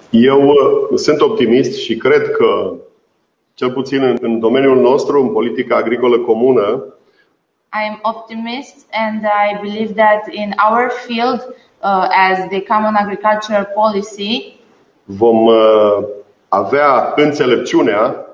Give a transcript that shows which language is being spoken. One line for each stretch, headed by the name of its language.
Romanian: Eu sunt optimist și cred că, cel puțin în domeniul nostru, în politica agricolă comună,
English: I am optimist and I believe that in our field, as the common agricultural policy,
Romanian: vom avea înțelepciunea,